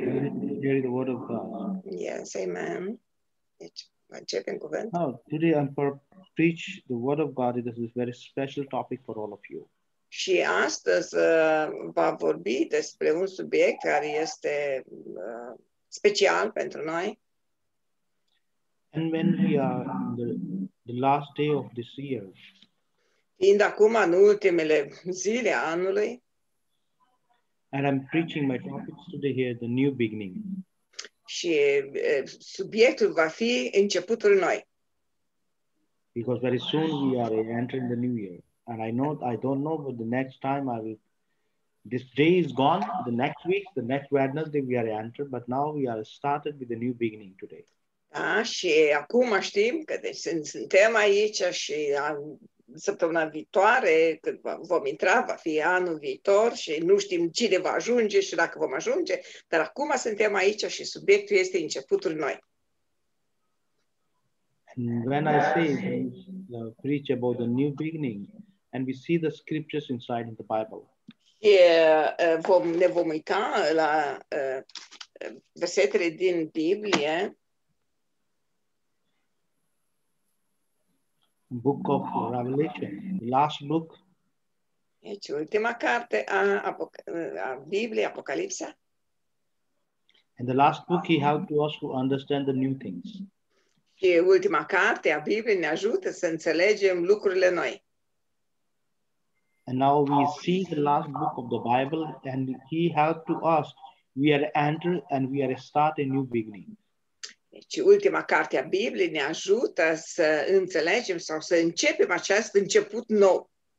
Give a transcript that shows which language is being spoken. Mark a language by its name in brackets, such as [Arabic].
[English] We need to hear the word of God. Yes, amen. Now, today I'm for preach the word of God. This is a very special topic for all of you. [Romanian] Și astăzi va vorbi despre un subiect care este special pentru noi. [English] And when we are in the last day of this year. [Romanian] Fiind acum în ultimele zile anului. [English] And I'm preaching my topics today here, the new beginning. [Romanian] Și subiectul va fi începutul noi. [English] Because very soon we are entering the new year. And I know, I don't know, but the next time I will, this day is gone, the next week, the next Wednesday we are entered, but now we are started with a new beginning today. [Romanian] Da, și acum știm că deci suntem aici și săptămâna viitoare, când vom intra, va fi anul viitor și nu știm cine va ajunge și dacă vom ajunge, dar acum suntem aici și subiectul este începutul noi. [English] When I say preach about the new beginning, and we see the scriptures inside in the Bible. [Romanian] Ne vom uita la versetele din Biblie. [English] Book of Revelation, the last book. [Romanian] Deci ultima carte a Bibliei, Apocalipsa. [English] And the last book he helped us to understand the new things. [Romanian] Și ultima carte a Bibliei ne ajută să înțelegem lucrurile noi. [English] And now we see the last book of the Bible and he helped to us. We are entered and we are start a new beginning. [Romanian] Deci ultima carte a Bibliei ne ajută să înțelegem sau să începem acest început nou.